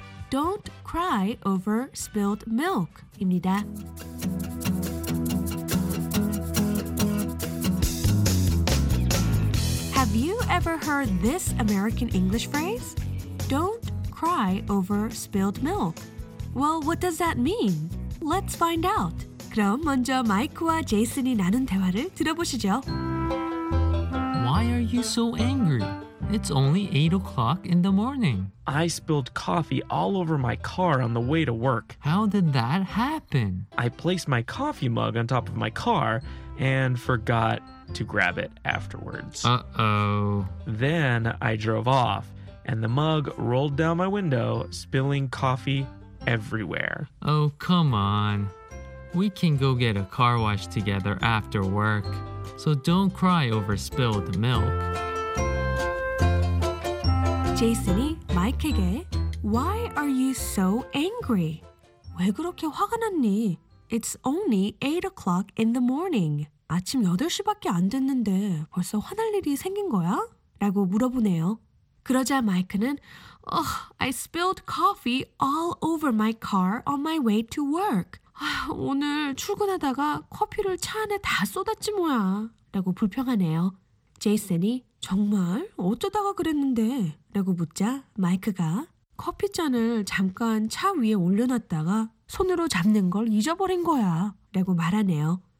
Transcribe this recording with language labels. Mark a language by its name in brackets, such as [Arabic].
[English] Don't cry over spilled milk입니다. [Korean] 입니다. [English] Have you ever heard this American English phrase? Don't cry over spilled milk. Well, what does that mean? Let's find out. [Korean] 그럼 먼저 마이크와 제이슨이 나눈 대화를 들어보시죠. [English] Why are you so angry? It's only 8 o'clock in the morning. I spilled coffee all over my car on the way to work. How did that happen? I placed my coffee mug on top of my car and forgot to grab it afterwards. Uh-oh. Then I drove off and the mug rolled down my window, spilling coffee everywhere. Oh, come on. We can go get a car wash together after work. So don't cry over spilled milk. [Korean] 제이슨이 마이크에게 [English] Why are you so angry? [Korean] 왜 그렇게 화가 났니? [English] It's only 8 o'clock in the morning. [Korean] 아침 8시밖에 안 됐는데 벌써 화날 일이 생긴 거야? 라고 물어보네요. 그러자 마이크는 [English] I spilled coffee all over my car on my way to work. [Korean] 오늘 출근하다가 커피를 차 안에 다 쏟았지 뭐야 라고 불평하네요. 제이슨이 정말 어쩌다가 그랬는데 라고 묻자 마이크가 커피잔을 잠깐 차 위에 올려놨다가 손으로 잡는 걸 잊어버린 거야 라고 말하네요.